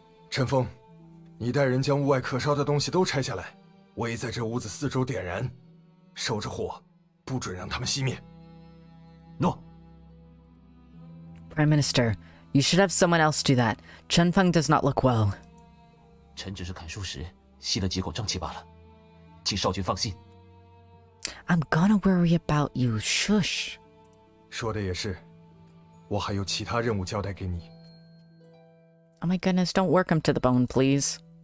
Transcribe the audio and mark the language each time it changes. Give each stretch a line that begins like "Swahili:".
Chinese: Chen Feng, 你带人将屋外可烧的东西都拆下来。我已在这屋子四周点燃,守着火,不准让他们熄灭。
English: No! Prime Minister, you should have someone else do that. Chen Feng does not look well.
Chinese: 臣只是砍树时,吸了几口瘴气罢了。请少君放心。
English: I'm gonna worry about you, shush.
Chinese: 说的也是,我还有其他任务交代给你。Oh
English: my goodness, don't work him to the bone, please.